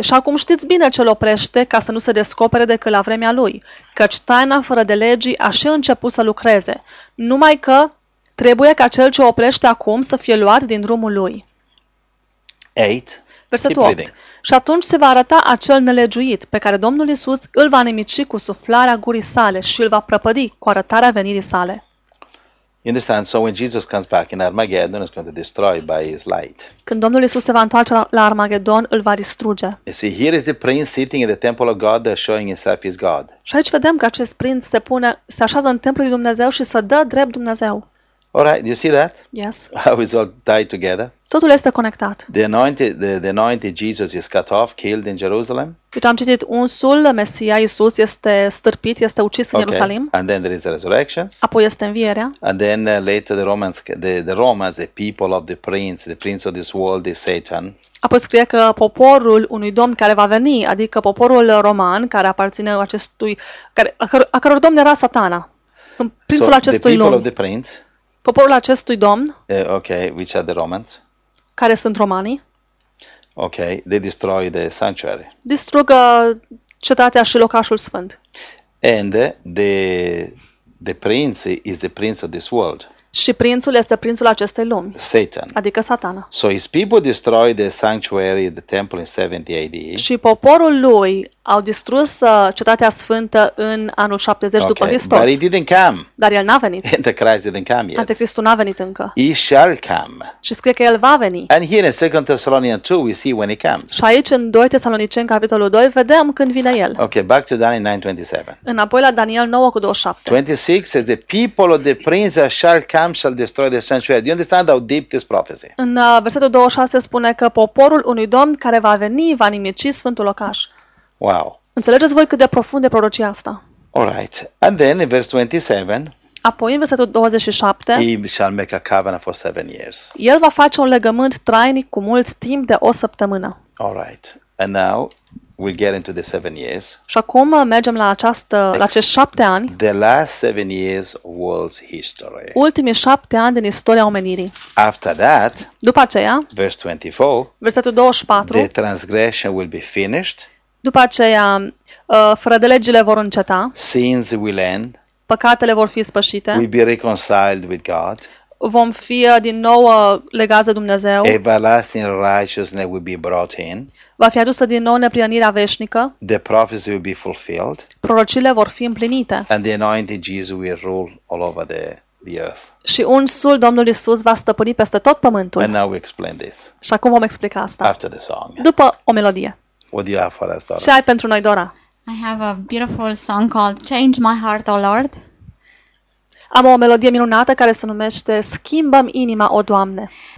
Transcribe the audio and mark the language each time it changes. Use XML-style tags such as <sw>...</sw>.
<ro>Și acum știți bine ce-l oprește ca să nu se descopere decât la vremea lui, căci taina fără de legii a și început să lucreze, numai că trebuie ca cel ce oprește acum să fie luat din drumul lui. 8. Versetul 8. Și atunci se va arăta acel nelegiuit pe care Domnul Iisus îl va nimici cu suflarea gurii sale și îl va prăpădi cu arătarea venirii sale.</ro> <en>You understand? So when Jesus comes back in Armageddon, he's going to destroy by his light.</en> <ro>Când Domnul Iisus se va întoarce la Armageddon, îl va distruge.</ro> <en>You see, here is the prince sitting in the temple of God, showing himself as God.</en> <ro>Și aici vedem că acest prinț se așează în templul lui Dumnezeu și se dă drept Dumnezeu.</ro> <en>All right, you see that? Yes. How it's all tied together?</en> <ro>Totul este conectat.</ro> <en>The anointed Jesus is cut off, killed in Jerusalem.</en> <ro>Deci am citit unsul, Mesia Iisus este stârpit, este ucis în Ierusalim.</ro> <en>And then there is the resurrection.</en> <ro>Apoi este învierea.</ro> <en>And then later the Romans, the people of the prince of this world, the Satan.</en> <ro>Apoi scrie că poporul unui domn care va veni, adică poporul roman care aparține acestui a căror domn era Satana. Prințul</ro> <en>so,</en> <ro>acestui</ro> <en>the people</en> <ro>lume.</ro> <en>Of the prince.</en> <ro>Poporul acestui domn,</ro> <en>okay, which are the Romans?</en> <ro>Care sunt romanii,</ro> <en>okay, they destroy the sanctuary.</en> <ro>Distrugă cetatea și locașul sfânt.</ro> <en>And the prince is the prince of this world.</en> <ro>Și prințul este prințul acestei lumi.</ro> <en>Satan.</en> <ro>Adică Satana.</ro> <en>So his people destroyed the sanctuary, the temple in 70 AD.</en> <ro>Și poporul lui au distrus cetatea sfântă în anul 70</ro> <en>okay.</en> <ro>după Hristos.</ro> <en>But he didn't come.</en> <ro>Dar el n-a venit.</ro> <en>Antichrist didn't come yet.</en> <ro>Antichristul n-a venit încă.</ro> <en>He shall come.</en> <ro>Și scrie că el va veni.</ro> <en>And here in 2 Thessalonians 2 we see when he comes.</en> <ro>Și aici în 2 Tesaloniceni capitolul 2 vedem când vine el.</ro> <en>Okay, back to Daniel 9:27.</en> <ro>Înapoi la Daniel 9:27.</ro> <en>26 says the people of the prince shall come. Shall destroy the sanctuary. Do you understand how deep this prophecy?</en> <ro>În versetul 26 spune că poporul unui domn care va veni va nimici sfântul locaș.</ro> <en>Wow.</en> <ro>Înțelegeți voi cât de profund e prorocia asta?</ro> <en>All right. And then in verse 27.</en> <ro>Apoi în versetul 27.</ro> <en>He shall make a covenant for 7 years.</en> <ro>El va face un legământ trainic cu mult timp de o săptămână.</ro> <en>All right. And now we'll get into the 7 years.</en> <ro>Și acum mergem la acești 7 ani.</ro> <en>The last 7 years of world's history.</en> <ro>Ultimii 7 ani din istoria omenirii.</ro> <en>After that,</en> <ro>după aceea,</ro> <en>verse 24,</en> <ro>versetul 24,</ro> <en>the transgression will be finished.</en> <ro>După aceea, frădelegile vor înceta.</ro> <en>Sins will end.</en> <ro>Păcatele vor fi spășite.</ro> <en>We'll be reconciled with God.</en> <ro>Vom fi din nou legați de Dumnezeu.</ro> <en>Everlasting righteousness will be brought in.</en> <ro>Va fi adusă din nou neprihănirea veșnică.</ro> <en>The prophecy will be fulfilled.</en> <ro>Prorocile vor fi împlinite.</ro> <en>And the anointed Jesus will rule all over the earth.</en> <ro>Și unsul Domnul Iisus va stăpâni peste tot pământul.</ro> <en>And now we explain this.</en> <ro>Și acum vom explica asta.</ro> <en>After the song.</en> <ro>După o melodie.</ro> <en>What do you have for us, Dora?</en> <ro>Ce ai pentru noi, Dora?</ro> <en>I have a beautiful song called Change My Heart, O Lord.</en> <ro>Am o melodie minunată care se numește Schimbă-mi inima, o Doamne.</ro>